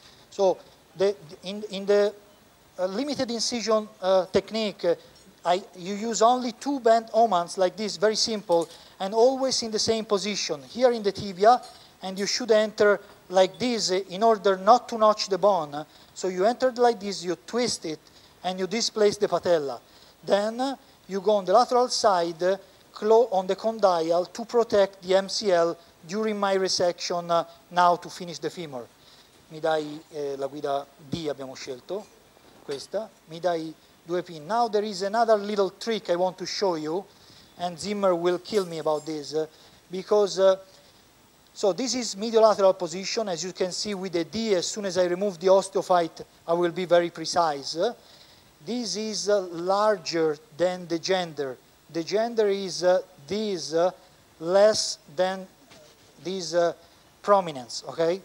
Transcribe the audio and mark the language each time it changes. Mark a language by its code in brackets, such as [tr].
[en] So limited incision technique, you use only two bent Omans like this, very simple, and always in the same position, here in the tibia, and you should enter like this in order not to notch the bone. So you enter like this, you twist it, and you displace the patella. Then you go on the lateral side, close on the condyle to protect the MCL during my resection, now to finish the femur. [it] Mi dai la guida D, abbiamo scelto questa, mi dai due pin. [en] Now there is another little trick I want to show you, and Zimmer will kill me about this, because, so this is mediolateral position, as you can see with the D, as soon as I remove the osteophyte, I will be very precise. This is larger than the gender. The gender is this, less than this prominence, okay?